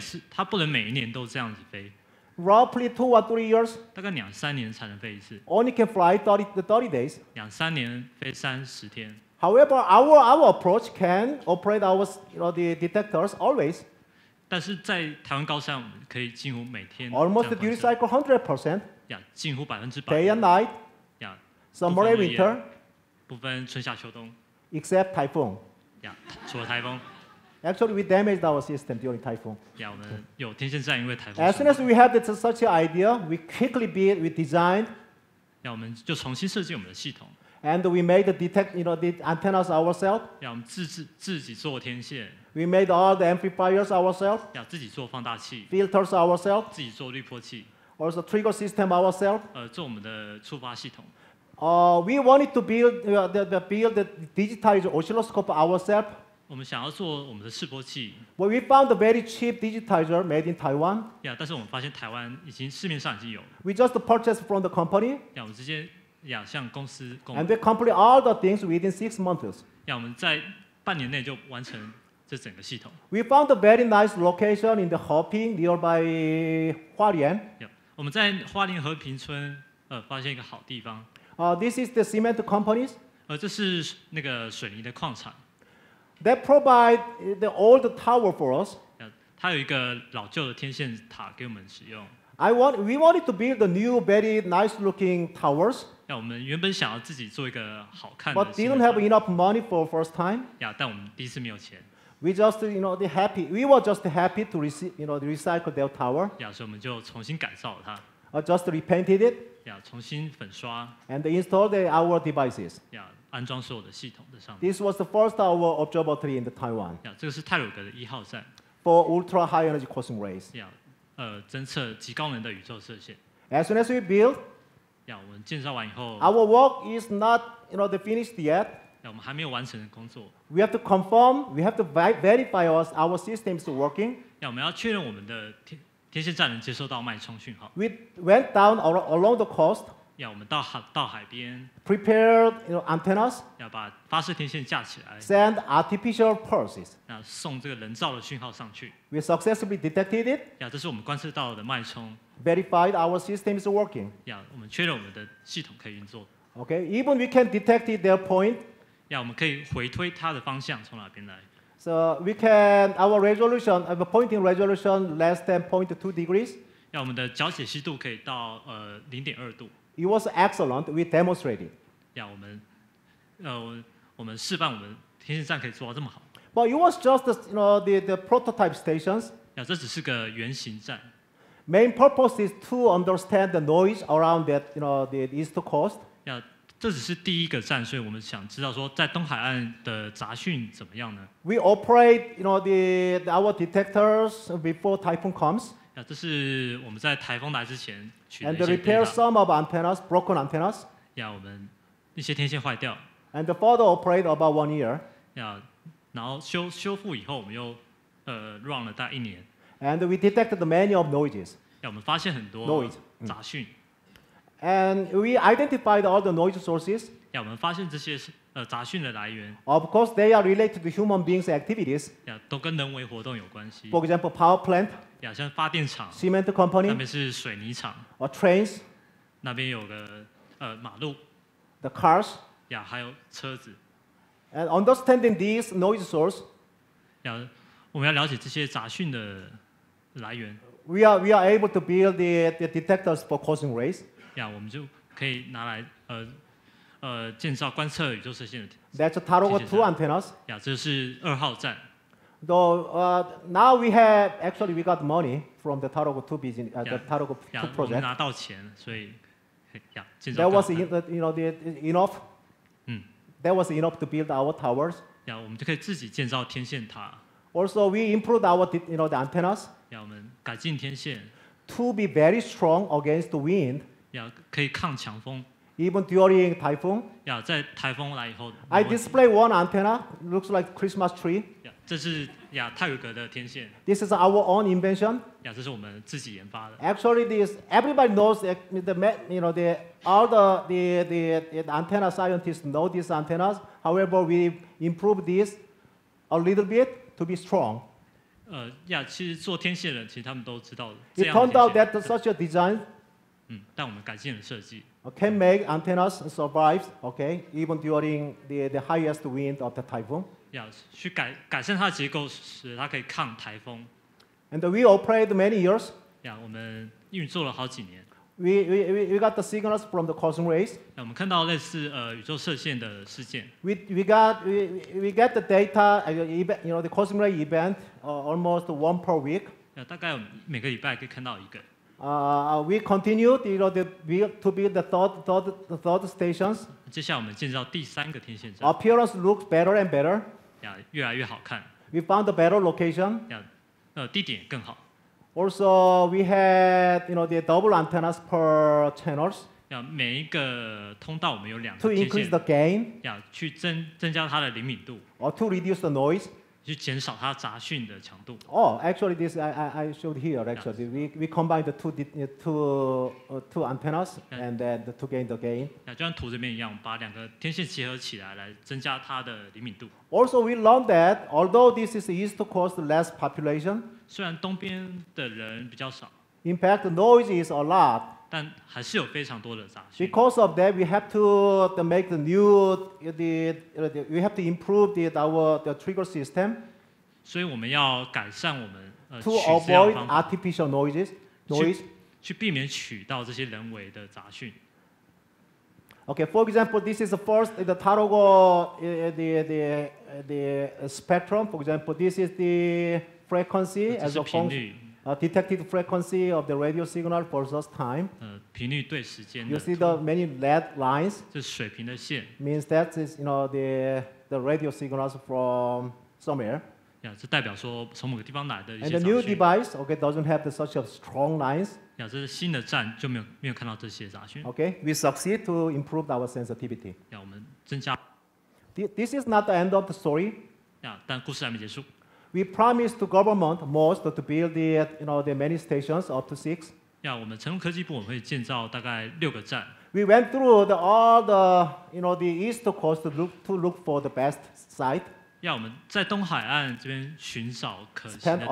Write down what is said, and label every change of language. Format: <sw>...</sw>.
<zh>它不能每一年都这样子飞。</zh> <en>Roughly 2 or 3 years.</en> <zh>大概两三年才能飞一次。</zh> <en>Only can fly 30 days.</en> <zh>两三年飞30天。</zh> <en>However, our approach can operate our, you know, the detectors always.</en> <zh>但是在台湾高山，我们可以几乎每天。</zh> <en>Almost duty cycle 100%.</en> <zh>呀，近乎百分之百。</zh> <en>Day and night.</en> <zh>呀。</zh> <en>Summer and winter.</en> <zh>不分春夏秋冬。</zh> <en>Except typhoon.</en> <zh>呀，除了台风。</zh> <en>Actually, we damaged our system during typhoon.</en> <zh>呀，我们有天线站因为台风。</zh> <en>As soon as we had such an idea, we quickly built, we designed.</en> <zh>呀，我们就重新设计我们的系统。</zh> <en>And we made the detect, you know, the antennas ourselves.</en> <zh>呀，我们自己做天线。</zh> <en>We made all the amplifiers ourselves.</en> <zh>呀，自己做放大器。</zh> <en>Filters ourselves.</en> <zh>自己做滤波器。</zh> <en>Also trigger system ourselves.</en> <zh>做我们的触发系统。</zh> <en>We wanted to build the digitized oscilloscope ourselves.</en> <zh>我们想要做我们的示波器。</zh> <en>Well, we found a very cheap digitizer made in Taiwan.</en> <zh>呀，但是我们发现台湾已经市面上已经有。</zh> <en>We just purchased from the company.</en> <zh>呀，我们直接。Yeah, 像公司,</zh> <en>and they complete all the things within 6 months.</en> <zh>Yeah, 我们在半年内就完成这整个系统。</zh> <en>We found a very nice location in the Heping nearby Hualien.</en> <zh>Yeah, 我们在花莲和平村发现一个好地方。</zh> <en>This is the cement companies.</en> <zh>这是那个水泥的矿场。</zh> <en>They provide the old tower for us.</en> <zh>Yeah, 它有一个老旧的天线塔给我们使用。</zh> <en>We wanted to build a new, very nice-looking towers.</en> <zh>呀，我们原本想要自己做一个好看的。</zh> <en>But didn't have enough money for first time.</en> <zh>呀，但我们第一次没有钱。</zh> <en>We just, you know, happy. We were just happy to receive, you know, recycle their tower.</en> <zh>呀，所以我们就重新改造了它。</zh> <en>Just repainted it.</en> <zh>呀，重新粉刷。</zh> <en>And installed our devices.</en> <zh>呀，安装所有的系统的上面。</zh> <en>This was the first our observatory in Taiwan.</en> <zh>呀，这个是太鲁阁的一号站。</zh> <en>For ultra high energy cosmic rays.</en> <zh>呀。侦测极高能的宇宙射线。</zh> <en>As soon as we build,</en> <zh>呀，我们建造完以后</zh> <en>，our work is not, you know, finished yet.</en> <zh>呀，我们还没有完成工作。</zh> <en>We have to confirm, we have to verify our system is working.</en> <zh>呀，我们要确认我们的天线站能接收到脉冲讯号。</zh> <en>We went down along the coast.</en> <zh>呀，我们到海边</zh> <en>，prepared, you know, antennas.</en> <zh>呀，把发射天线架起来</zh> <en>，send artificial pulses.</en> <zh>呀，送这个人造的讯号上去。</zh> <en>We successfully detected it.</en> <zh>呀，这是我们观测到的脉冲。</zh> <en>Verified our system is working.</en> <zh>呀，我们确认我们的系统可以运作。</zh> <en>Okay, even we can detect their point.</en> <zh>呀，我们可以回推它的方向从哪边来。</zh> <en>So we can our resolution, our pointing resolution less than 0.2 degrees.</en> <zh>呀，我们的角解析度可以到0.2 度。</zh> <en>It was excellent. We demonstrated.</en> <zh>呀，我们示范我们天线站可以做到这么好。</zh> <en>But it was just, you know, the prototype stations.</en> <zh>呀，这只是个原型站。</zh> <en>Main purpose is to understand the noise around that, you know, the east coast.</en> <zh>呀，这只是第一个站，所以我们想知道说在东海岸的杂讯怎么样呢</zh> <en>？We operate, you know, our detectors before typhoon comes.</en> <zh>呀，这是我们在台风来之前取的一些</zh> <en>data. And repair some of antennas, broken antennas.</en> <zh>呀，我们一些天线坏掉。</zh> <en>And further operate about 1 year.</en> <zh>呀。然后修复以后，我们又 run 了大概一年。</zh> <en>And we detected many of noises.</en> <zh>我们发现很多杂讯。</zh> <en>And we identified all the noise sources.</en> <zh>我们发现这些杂讯的来源。</zh> <en>Of course, they are related to human beings' activities.</en> <zh>都跟人为活动有关系。</zh> <en>For example, power plant.</en> <zh>像发电厂。</zh> <en>Cement company.</en> <zh>那边是水泥厂。</zh> <en>Or trains.</en> <zh>那边有个马路。</zh> <en>The cars.</en> <zh>还有车子。</zh> <en>And understanding these noise sources.</en> <zh>我们要了解这些杂讯的来源。</zh> <en>We are able to build the detectors for cosmic rays.</en> <zh>我们就可以拿来建造观测宇宙射线的。</zh> <en>That's a TAROGE 2 antennas.</en> <zh>这是二号站。</zh> <en>Though now we have actually we got money from the TAROGE 2 business, the TAROGE 2 project.</en> <zh>拿到钱，所以建造。</zh> <en>That was enough. That was enough to build our towers.</en> <zh>我们就可以自己建造天线塔。</zh> <en>Also, we improved our, you know, the antennas.</en> <zh>我们改进天线。</zh> <en>To be very strong against the wind.</en> <zh>可以抗强风。</zh> <en>Even during typhoon.</en> <zh>在台风来以后。</zh> <en>I display one antenna, looks like Christmas tree.</en> <zh>这是太魯閣的天线。</zh> <en>This is our own invention.</en> <zh>这是我们自己研发的。</zh> <en>Actually, this everybody knows the, you know, the all the antenna scientists know these antennas. However, we improved this a little bit. To be strong.</en> <zh>其实做天线的人，其实他们都知道。</zh> <en>It turned out that such a design.</en> <zh>但我们改进了设计。</zh> <en>Can make antennas survive, okay, even during the highest wind of the typhoon.</en> <zh>去改善它的结构，使它可以抗台风。</zh> <en>And we operated many years.</en> <zh>我们运作了好几年。</zh> <en>We got the signals from the cosmic rays.</en> <zh>我们看到类似宇宙射线的事件。</zh> <en>We get the data, you know, the cosmic ray event almost one per week.</en> <zh>大概每个礼拜可以看到一个。</zh> <en>We continued, you know, to build the third stations.</en> <zh>接下来我们建造第三个天线站。</zh> <en>Appearance looks better and better.</en> <zh>越来越好看。</zh> <en>We found a better location.</en> <zh>地点更好。</zh> <en>Also, we had, you know, the double antennas per channels.</en> <zh>每一个通道我们有两个天线。</zh> <en>To increase the gain.</en> <zh>去增加它的灵敏度。</zh> <en>Or to reduce the noise.</en> <zh>去减少它杂讯的强度。</zh> <en>Oh, actually, this I showed here. Actually, we combined the two antennas and then to gain the gain.</en> <zh>就像图这边一样，把两个天线结合起来，来增加它的灵敏度。</zh> <en>Also, we learned that although this is East Coast less population.</en> <zh>虽然东边的人比较少</zh> <en>，In fact, noise is a lot.</en> <zh>但还是有非常多的杂讯。</zh> <en>Because of that, we have to make we have to improve the trigger system.</en> <zh>所以我们要改善我们</zh> <en>To avoid artificial noise.</en> <zh>去避免取到这些人为的杂讯。</zh> <en>Okay, for example, this is the first the TAROGE the spectrum. For example, this is the frequency as a function, detected frequency of the radio signal for the first time.</en> <zh>频率对时间的。</zh> <en>You see the many red lines.</en> <zh>这是水平的线。</zh> <en>Means that is, you know, the radio signals from somewhere.</en> <zh>这代表说从某个地方来的一些杂讯。</zh> <en>And the new device, okay, doesn't have the such of strong lines.</en> <zh>这是新的站就没有看到这些杂讯。</zh> <en>Okay, we succeed to improve our sensitivity.</en> <zh>我们增加。</zh> <en>This is not the end of the story.</en> <zh>但故事还没结束。</zh> <en>We promised the government most to build the, you know, the many stations up to six.</en> <zh>我们成功科技部我们会建造大概六个站。</zh> <en>We went through the, all the, you know, the East Coast to look for the best site.</en> <zh>我们在东海岸这边寻找可行的地</zh>